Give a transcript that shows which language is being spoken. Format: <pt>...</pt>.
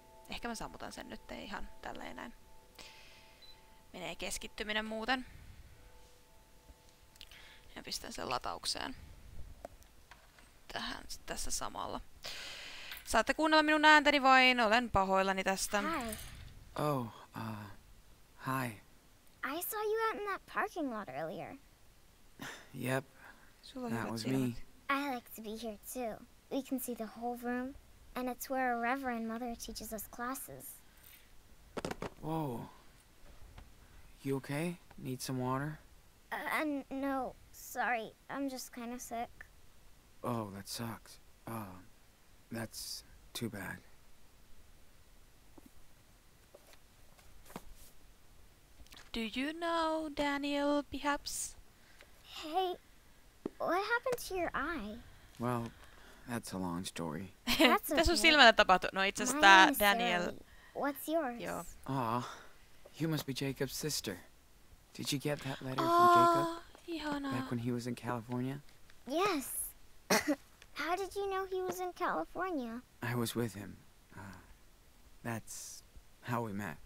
<fi>Ehkä mä sammutan sen nyt ihan tälleen näin. Menee keskittyminen muuten. Ja pistän sen lataukseen. Tähän tässä samalla. Saatte kuunnella minun ääntäni vain, olen pahoillani tästä.</fi> <en>Hi. Oh, hi. I saw you out in that parking lot earlier. Yep, that was me. I like to be here too. We can see the whole room, and it's where a reverend mother teaches us classes. Whoa. You okay? Need some water? No, sorry. I'm just kind of sick. Oh, that sucks. That's too bad. Do you know Daniel, perhaps? Hey, what happened to your eye? Well, that's a long story. That's okay.</en> <fi>Tässä on silmällä tapahtunut. No, itse asiassa tämä Daniel.</fi> <en>What's yours?</en> <fi>Joo.</fi> <en>Aw, you must be Jacob's sister. Did you get that letter from Jacob?</en> <fi>Ihana.</fi> <en>Back when he was in California? Yes. How did you know he was in California? I was with him. That's how we met.</en>